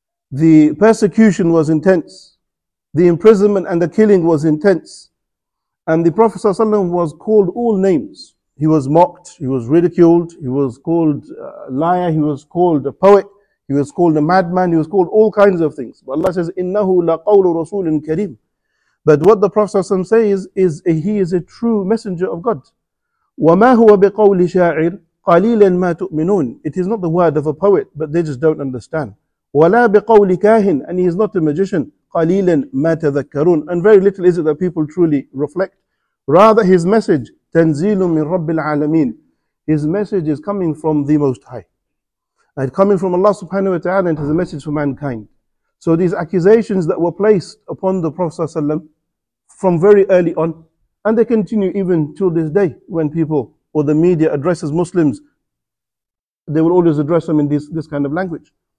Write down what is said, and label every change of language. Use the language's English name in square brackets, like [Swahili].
[English] The persecution was intense. The imprisonment and the killing was intense. And the Prophet was called all names. He was mocked, he was ridiculed, he was called a liar, he was called a poet, he was called a madman, he was called all kinds of things. But Allah says, [Arabic] إِنَّهُ لَقَوْلُ رَسُولٍ كَرِيمٍ. [English] But what the Prophet says is he is a true messenger of God. [Arabic] وَمَا هُوَ بِقَوْلِ شَاعِرٍ قَلِيلًا مَا تُؤْمِنُونَ. [English] It is not the word of a poet, but they just don't understand. [Arabic] وَلَا بِقَوْلِ كَاهِنٍ, [English] and he is not a magician. [Arabic] قَلِيلًا مَا تَذَكَّرُونَ, [English] and very little is it that people truly reflect. Rather, his message, [Arabic] تَنْزِيلٌ مِنْ رَبِّ الْعَالَمِينَ. [English] His message is coming from the Most High. And it's coming from Allah subhanahu wa ta'ala, and it is a message for mankind. So these accusations that were placed upon the Prophet from very early on, And they continue even till this day when people or the media addresses Muslims, they will always address them in this kind of language.